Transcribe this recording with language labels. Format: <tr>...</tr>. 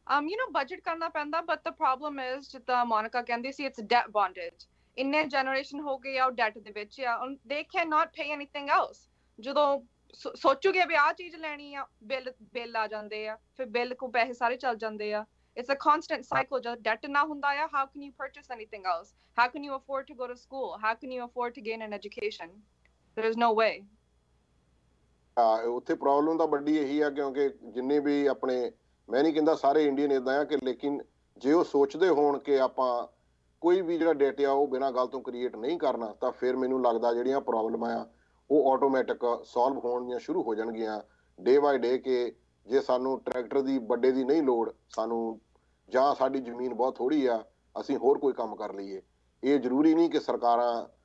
<en>you know</en> <pa>budget ਕਰਨਾ ਪੈਂਦਾ</pa> <en>but the problem is</en> <pa>ਜਿੱਦਾਂ ਮੋਨਿਕਾ ਕਹਿੰਦੀ ਸੀ</pa> <en>it's that bondage</en> <pa>ਇੰਨੇ ਜਨਰੇਸ਼ਨ ਹੋ ਗਈ ਆ ਉਹ ਡੈਟ ਦੇ ਵਿੱਚ ਆ</pa> <en>they can not pay anything else</en> <pa>ਜਦੋਂ ਸੋਚੋਗੇ ਵੀ ਆਹ ਚੀਜ਼ ਲੈਣੀ ਆ ਬਿੱਲ ਆ ਜਾਂਦੇ ਆ ਫਿਰ ਬਿੱਲ ਕੋ ਪੈਸੇ ਸਾਰੇ ਚੱਲ ਜਾਂਦੇ ਆ</pa> <en>It's a constant cycle. Just debt</en> <pa>na hunda ya,</pa> <en>how can you purchase anything else? How can you afford to go to school? How can you afford to gain an education? There's no way.</en> <pa>ਉੱਥੇ problem ਤਾਂ ਵੱਡੀ ਇਹੀ ਆ ਕਿਉਂਕਿ ਜਿੰਨੇ ਵੀ ਆਪਣੇ ਮੈਂ ਨਹੀਂ ਕਹਿੰਦਾ ਸਾਰੇ ਇੰਡੀਅਨ ਇੱਦਾਂ ਆ ਕਿ ਲੇਕਿਨ ਜੇ ਉਹ ਸੋਚਦੇ ਹੋਣ ਕਿ ਆਪਾਂ ਕੋਈ ਵੀ ਜਿਹੜਾ ਡੇਟ ਆ ਉਹ ਬਿਨਾਂ ਗੱਲ ਤੋਂ ਕ੍ਰੀਏਟ ਨਹੀਂ ਕਰਨਾ ਤਾਂ ਫਿਰ ਮੈਨੂੰ ਲੱਗਦਾ ਜਿਹੜੀਆਂ ਪ੍ਰੋਬਲਮਾਂ ਆ ਉਹ ਆਟੋਮੈਟਿਕ ਸੋਲਵ ਹੋਣੀਆਂ ਸ਼ੁਰੂ ਹੋ ਜਾਣਗੀਆਂ</pa> <en>day by day</en> <pa>ਕਿ ਜੇ ਸਾਨੂੰ ਟਰੈਕਟਰ ਦੀ ਵੱਡੇ ਦੀ ਨਹੀਂ ਲੋੜ ਸਾਨੂੰ ਜਾਂ ਸਾਡੀ ਜ਼ਮੀਨ ਬਹੁਤ ਥੋੜ੍ਹੀ ਆ ਅਸੀਂ ਹੋਰ ਕੋਈ ਕੰਮ ਕਰ ਲਈਏ ਇਹ ਜ਼ਰੂਰੀ ਨਹੀਂ ਕਿ ਸਰਕਾਰਾਂ</pa>